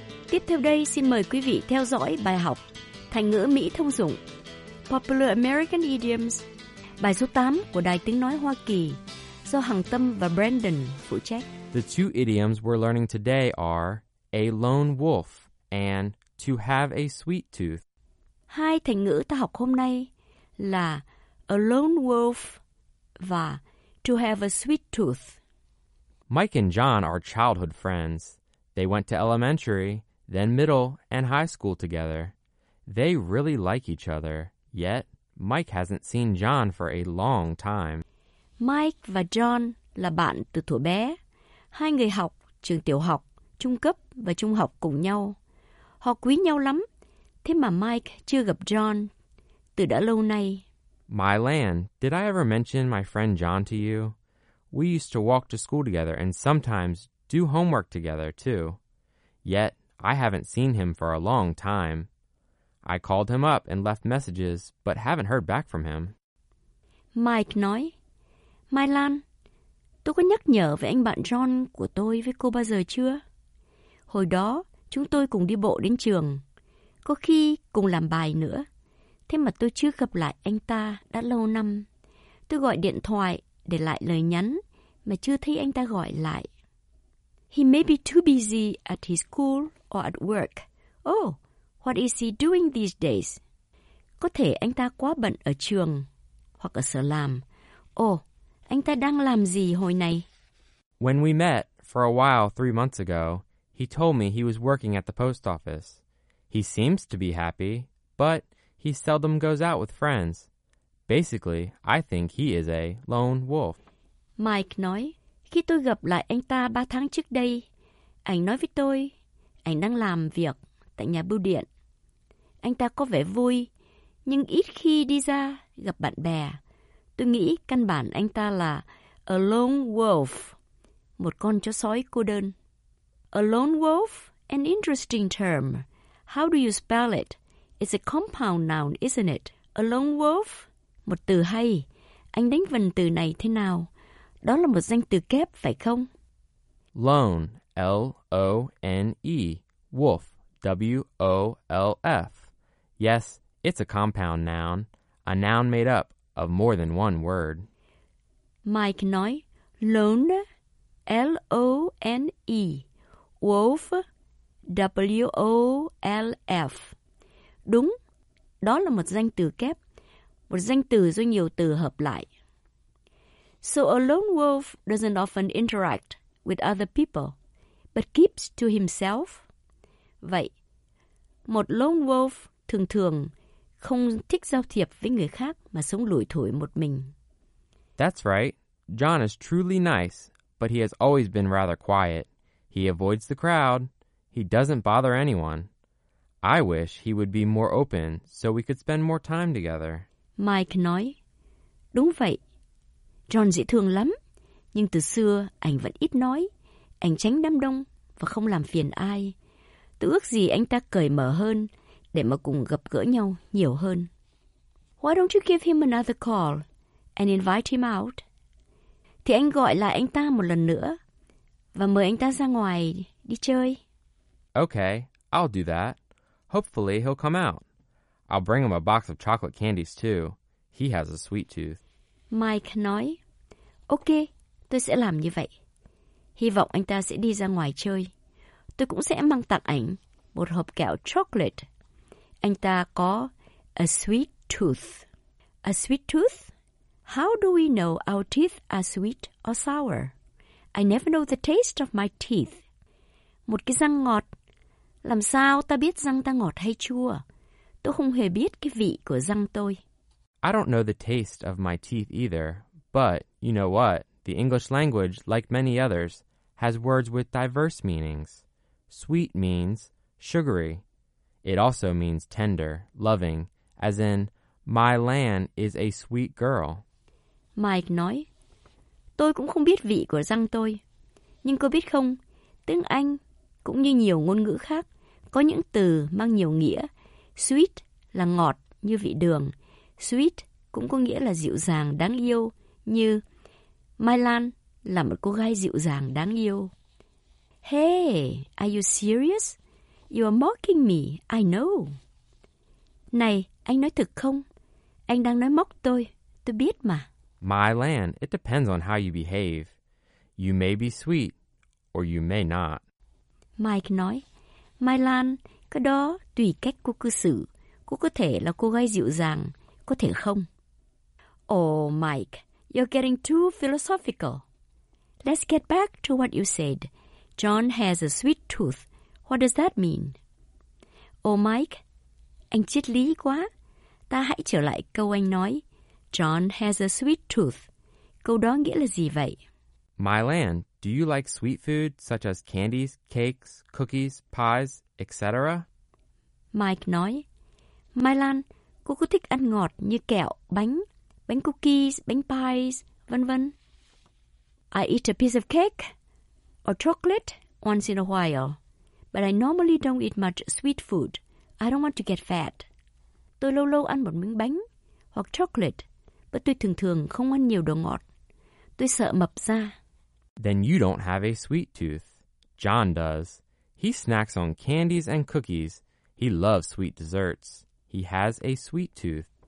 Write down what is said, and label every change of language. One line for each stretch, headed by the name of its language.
Vietnamese: Tiếp theo đây, xin mời quý vị theo dõi bài học thành ngữ Mỹ thông dụng Popular American Idioms, bài số 8 của Đài Tiếng Nói Hoa Kỳ, do Hằng Tâm và Brandon phụ trách.
English: The two idioms we're learning today are a lone wolf and to have a sweet tooth.
Vietnamese: Hai thành ngữ ta học hôm nay là a lone wolf và to have a sweet tooth.
English: Mike and John are childhood friends. They went to elementary, then middle and high school together. They really like each other, yet Mike hasn't seen John for a long time.
Vietnamese: Mike và John là bạn từ thuở bé. Hai người học trường tiểu học, trung cấp và trung học cùng nhau. Họ quý nhau lắm, thế mà Mike chưa gặp John từ đã lâu nay.
English: My land, did I ever mention my friend John to you? We used to walk to school together and sometimes do homework together too. Yet, I haven't seen him for a long time. I called him up and left messages, but haven't heard back from him.
Vietnamese: Mike nói, Mai Lan, tôi có nhắc nhở về anh bạn John của tôi với cô bao giờ chưa? Hồi đó, chúng tôi cùng đi bộ đến trường, có khi cùng làm bài nữa. Thế mà tôi chưa gặp lại anh ta đã lâu năm. Tôi gọi điện thoại để lại lời nhắn, mà chưa thấy anh ta gọi lại.
English: He may be too busy at his school or at work. Oh, what is he doing these days?
Vietnamese: Có thể anh ta quá bận ở trường hoặc ở sở làm. Oh, anh ta đang làm gì hồi này?
English: When we met for a while 3 months ago, he told me he was working at the post office. He seems to be happy, but he seldom goes out with friends. Basically, I think he is a lone wolf.
Vietnamese: Mike nói, khi tôi gặp lại anh ta 3 tháng trước đây, anh nói với tôi, anh đang làm việc tại nhà bưu điện. Anh ta có vẻ vui, nhưng ít khi đi ra gặp bạn bè. Tôi nghĩ căn bản anh ta là a lone wolf, một con chó sói cô đơn.
English: A lone wolf, an interesting term. How do you spell it? It's a compound noun, isn't it? A lone wolf,
Vietnamese: một từ hay. Anh đánh vần từ này thế nào? Đó là một danh từ kép, phải không?
English: Lone, L-O-N-E, wolf, W-O-L-F. Yes, it's a compound noun, a noun made up of more than one word.
Vietnamese: Mike nói, lone, L-O-N-E, wolf, W-O-L-F. Đúng, đó là một danh từ kép, một danh từ do nhiều từ hợp lại.
English: So a lone wolf doesn't often interact with other people, but keeps to himself.
Vietnamese: Vậy, một lone wolf thường thường không thích giao thiệp với người khác mà sống lủi thủi một mình.
English: That's right. John is truly nice, but he has always been rather quiet. He avoids the crowd. He doesn't bother anyone. I wish he would be more open so we could spend more time together.
Vietnamese: Mike nói, đúng vậy. John dễ thương lắm, nhưng từ xưa anh vẫn ít nói, anh tránh đám đông và không làm phiền ai. Tôi ước gì anh ta cởi mở hơn để mà cùng gặp gỡ nhau nhiều hơn.
English: Why don't you give him another call and invite him out?
Vietnamese: Thì anh gọi lại anh ta một lần nữa và mời anh ta ra ngoài đi chơi.
English: Okay, I'll do that. Hopefully he'll come out. I'll bring him a box of chocolate candies too. He has a sweet tooth.
Vietnamese: Mike nói, ok, tôi sẽ làm như vậy. Hy vọng anh ta sẽ đi ra ngoài chơi. Tôi cũng sẽ mang tặng ảnh một hộp kẹo chocolate. Anh ta có a sweet tooth. A sweet tooth?
English: How do we know our teeth are sweet or sour? I never know the taste of my teeth.
Vietnamese: Một cái răng ngọt. Làm sao ta biết răng ta ngọt hay chua? Tôi không hề biết cái vị của răng tôi.
English: I don't know the taste of my teeth either, but you know what? The English language, like many others, has words with diverse meanings. Sweet means sugary. It also means tender, loving, as in, my Lan is a sweet girl.
Vietnamese: Mike nói, tôi cũng không biết vị của răng tôi. Nhưng cô biết không, tiếng Anh, cũng như nhiều ngôn ngữ khác, có những từ mang nhiều nghĩa. Sweet là ngọt như vị đường. Sweet cũng có nghĩa là dịu dàng, đáng yêu, như My Lan là một cô gái dịu dàng, đáng yêu.
English: Hey, are you serious? You are mocking me, I know.
Vietnamese: Này, anh nói thật không? Anh đang nói móc tôi biết mà.
English: My Lan, it depends on how you behave. You may be sweet, or you may not.
Vietnamese: Mike nói, My Lan, cái đó tùy cách cô cư xử. Cô có thể là cô gái dịu dàng, có thể không.
English: Oh, Mike, you're getting too philosophical. Let's get back to what you said. John has a sweet tooth. What does that mean?
Vietnamese: Oh, Mike, anh triết lý quá. Ta hãy trở lại câu anh nói.
English: John has a sweet tooth.
Vietnamese: Câu đó nghĩa là gì vậy?
English: My Lan, do you like sweet food such as candies, cakes, cookies, pies, etc.?
Vietnamese: Mike nói, My Lan, cô có thích ăn ngọt như kẹo, bánh, bánh cookies, bánh pies, vân vân.
English: I eat a piece of cake or chocolate once in a while, but I normally don't eat much sweet food. I don't want to get fat.
Vietnamese: Tôi lâu lâu ăn một miếng bánh hoặc chocolate, but tôi thường thường không ăn nhiều đồ ngọt. Tôi sợ mập ra.
English: Then you don't have a sweet tooth. John does. He snacks on candies and cookies. He loves sweet desserts. He has a sweet tooth.